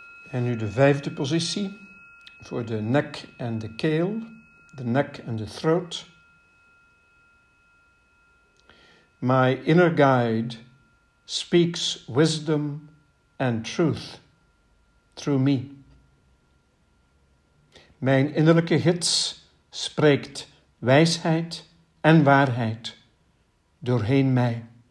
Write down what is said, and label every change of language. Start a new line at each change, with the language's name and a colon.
Dutch: En nu de vijfde positie voor de nek en de keel, de nek en de throat.
English: My inner guide speaks wisdom and truth through me.
Dutch: Mijn innerlijke gids spreekt wijsheid en waarheid doorheen mij.